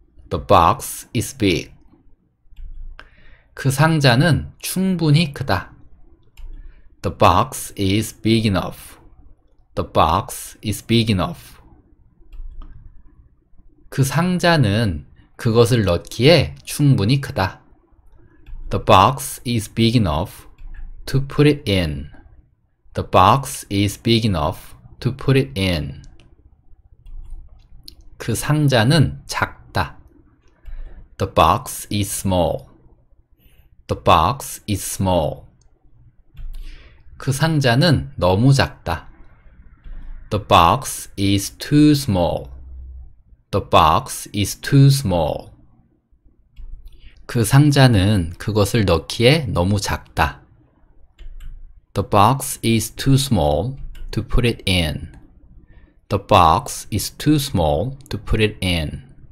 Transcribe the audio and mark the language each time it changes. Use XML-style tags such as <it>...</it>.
<en>The box is big.</en> <ko>그 상자는 충분히 크다.</ko> <en>The box is big enough. The box is big enough.</en> <ko>그 상자는 그것을 넣기에 충분히 크다.</ko> <en>The box is big enough to put it in. The box is big enough to put it in.</en> <ko>그 상자는 작다.</ko> <en>The box is small. The box is small.</en> <ko>그 상자는 너무 작다.</ko> <en>The box is too small. The box is too small.</en> <ko>그 상자는 그것을 넣기에 너무 작다.</ko> <en>The box is too small to put it in. The box is too small to put it in.</en>